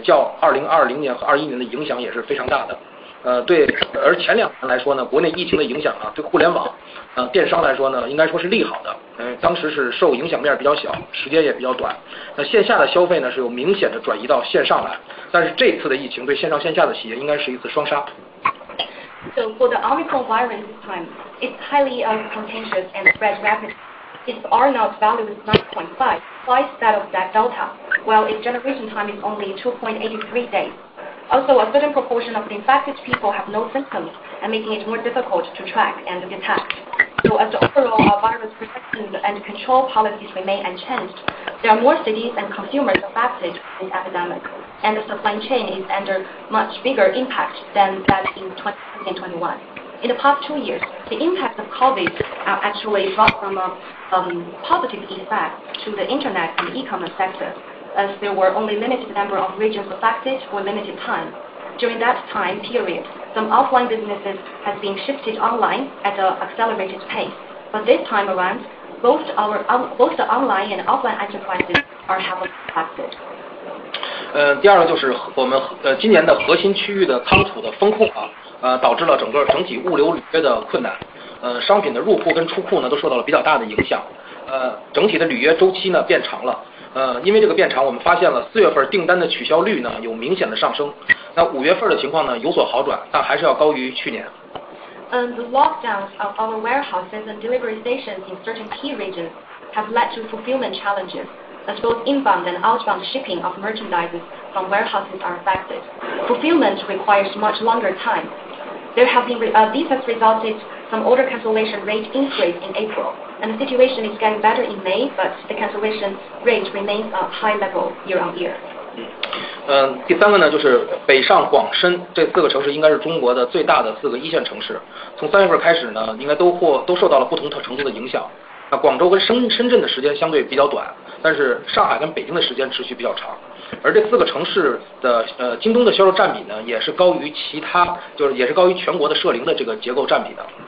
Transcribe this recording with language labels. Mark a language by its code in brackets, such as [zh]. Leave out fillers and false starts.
[zh] 应该是之前德尔塔变异的两倍，那么它的这个代际间隔时间也只有2.83天，所以在整个传播的过程中的时候呢，而且还有一定比例的是这个感染者是没有症状的，因此它的传播不仅速度快，而且不容易发觉。那么政府在整体的管控疫情防控的策略不变的情况下，那我们发现就受到疫情影响的城市和消费者是非常多的，供应链呢也较2020年和2021年的影响也是非常大的。对，而前两年来说呢，国内疫情的影响啊，对互联网，电商来说呢，应该说是利好的，当时是受影响面比较小，时间也比较短，那线下的消费呢是有明显的转移到线上来，但是这次的疫情对线上线下的企业应该是一次双杀。 [en] So for the Omicron virus this time, it's highly contagious and spread rapidly. Its R naught value is 9.5, twice that of that Delta, while its generation time is only 2.83 days. Also, a certain proportion of the infected people have no symptoms and making it more difficult to track and detect. So as the overall virus protection and control policies remain unchanged, there are more cities and consumers affected by this epidemic, and the supply chain is under much bigger impact than that in 2021. In the past 2 years, the impact of COVID actually dropped from a positive effect to the internet and e-commerce sector, as there were only limited number of regions affected for limited time. During that time period, some offline businesses has been shifted online at an accelerated pace. But this time around, both the online and offline enterprises are heavily affected. [zh] 第二个就是我们今年的核心区域的仓储的封控，导致了整个整体物流履约的困难，商品的入库跟出库呢都受到了比较大的影响，整体的履约周期呢变长了。因为这个变长，我们发现了四月份订单的取消率呢有明显的上升，那五月份的情况呢有所好转，但还是要高于去年。 [en] The lockdowns of our warehouses and delivery stations in certain key regions have led to fulfillment challenges, as both inbound and outbound shipping of merchandises from warehouses are affected. Fulfillment requires much longer time. This has resulted some order cancellation rate increase in April, and the situation is getting better in May, but the cancellation rate remains at high level year on year. [zh] 第三个呢，就是北上广深这四个城市应该是中国的最大的四个一线城市。从三月份开始呢，应该都受到了不同程度的影响。那广州跟深圳的时间相对比较短，但是上海跟北京的时间持续比较长。而这四个城市的京东的销售占比呢，也是高于其他，就是也是高于全国的社零的这个结构占比的。